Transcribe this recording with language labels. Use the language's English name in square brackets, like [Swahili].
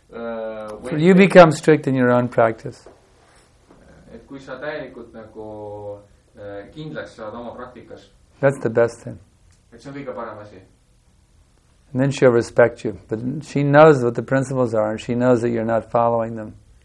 [English] when... So you become strict in your own practice. [Estonian] Et kui sa täielikult nagu kindlaks saad oma praktikas. [English] That's the best thing. [Estonian] Et see on kõige parem asi. [English] And then she'll respect you. But she knows what the principles are and she knows that you're not following them.